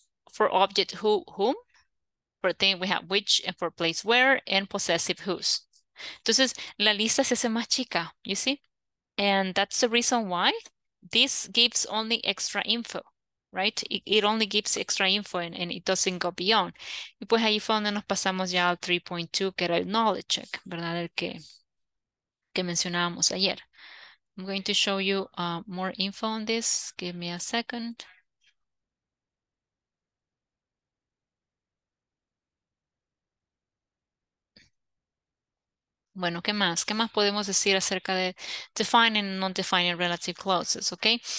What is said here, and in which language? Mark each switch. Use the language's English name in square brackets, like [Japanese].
[English] For object, who, whom. For thing, we have which, and for place, where, and possessive, whose. [Spanish] Entonces, la lista se hace más chica, [English] you see? And that's the reason why this gives only extra info, right? It only gives extra info and it doesn't go beyond. [Spanish] Y pues ahí fue donde nos pasamos ya al 3.2, que era el knowledge check, ¿verdad? El que mencionábamos ayer. [English] I'm going to show you more info on this. Give me a second. [Spanish] Bueno, ¿qué más? ¿Qué más podemos decir acerca de defining and non-defining relative clauses? Okay.